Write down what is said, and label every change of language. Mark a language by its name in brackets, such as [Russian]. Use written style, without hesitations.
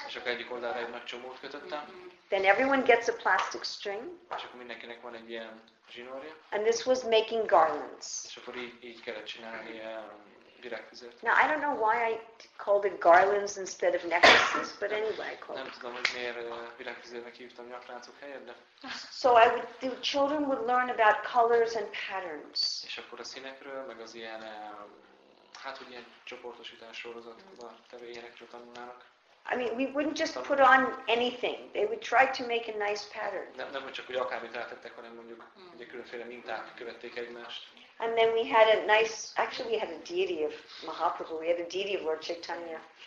[Hungarian] És akkor egyik oldalra egy nagy csomót kötöttem. [English] Then everyone gets a plastic string. [Hungarian] És akkor mindenkinek van egy ilyen zsinórja. [English] And this was making garlands. [Hungarian] És akkor így kellett csinálni virágfüzért. [English] Now I don't know why I called it garlands instead of necklaces, but anyway I called it. [Hungarian] Nem tudom, hogy miért virágfüzérnek hívtam nyakláncok helyett, de. [English] So I would, the children would learn about colors and patterns. [Hungarian] És akkor a színekről, meg az ilyen, hát hogy ilyen csoportosítás sorozatban tevő énekről tanulnának. [English] I mean, we wouldn't just put on anything. They would try to make a nice pattern. [Hungarian] Nem csak úgy akármit rátettek, hanem mondjuk ugye különféle minták követték egymást. [English] And then we had a nice, actually we had a deity of Mahaprabhu, we had a deity of Lord Chaitanya.